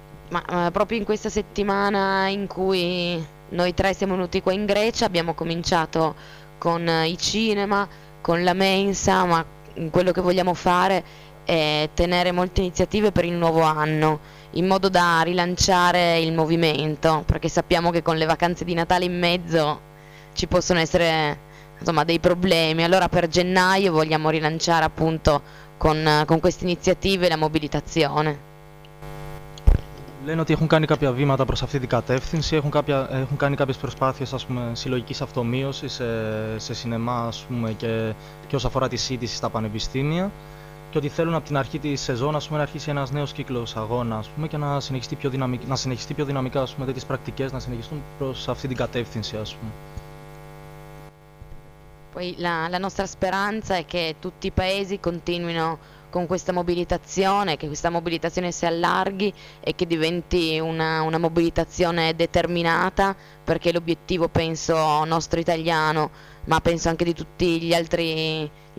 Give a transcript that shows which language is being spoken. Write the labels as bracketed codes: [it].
[it] Ma proprio in questa settimana in cui noi tre siamo venuti qua in Grecia, abbiamo cominciato con i cinema, con la mensa, ma quello che vogliamo fare è tenere molte iniziative per il nuovo anno, in modo da rilanciare il movimento, perché sappiamo che con le vacanze di Natale in mezzo ci possono essere, insomma, dei problemi. Allora per gennaio vogliamo rilanciare appunto con queste iniziative la mobilitazione. [el] Λένε ότι έχουν κάνει κάποια βήματα προς αυτή την κατεύθυνση, έχουν κάνει κάποιες προσπάθειες, ας πούμε, συλλογικής αυτομείωσης σε σινεμά, ας πούμε, και όσον αφορά τη σύντηση στα πανεπιστήμια, και ότι θέλουν από την αρχή της σεζόν, ας πούμε, να αρχίσει ένας νέος κύκλος αγώνα, ας πούμε, και να συνεχιστεί πιο δυναμικά, ας πούμε, τέτοιες πρακτικές να συνεχιστούν προς αυτή την κατεύθυνση, ας πούμε. [it] Poi la nostra speranza è che tutti i paesi continuino con questa mobilitazione, che questa mobilitazione si allarghi e che diventi una mobilitazione determinata, perché l'obiettivo, penso, nostro italiano, ma penso anche di tutti gli altri